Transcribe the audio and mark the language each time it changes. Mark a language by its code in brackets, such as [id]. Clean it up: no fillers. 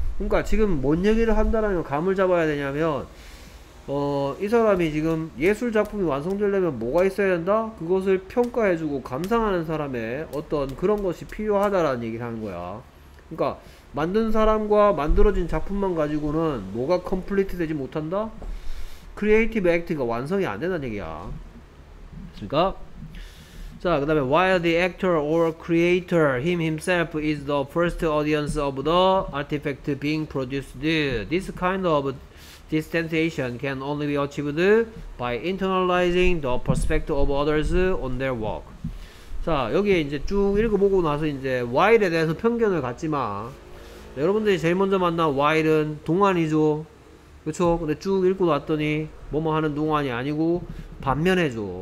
[ko] 그러니까 지금 뭔 얘기를 한다라는 감을 잡아야 되냐면 이 사람이 지금 예술 작품이 완성되려면 뭐가 있어야 된다? 그것을 평가해주고 감상하는 사람의 어떤 그런 것이 필요하다라는 얘기를 하는 거야. 그러니까 만든 사람과 만들어진 작품만 가지고는 뭐가 컴플리트 되지 못한다? 크리에이티브 액트가 완성이 안 된다는 얘기야. 그러니까 자, 그 다음에 [en] While the actor or creator him himself is the first audience of the artifact being produced, this kind of distanciation can only be achieved by internalizing the perspective of others on their work. [ko] 자, 여기에 이제 쭉 읽어보고 나서 이제 while에 대해서 편견을 갖지 마. 여러분들이 제일 먼저 만난 while은 동안이죠. 그쵸? 근데 쭉 읽고 났더니 뭐뭐 하는 동안이 아니고 반면해줘.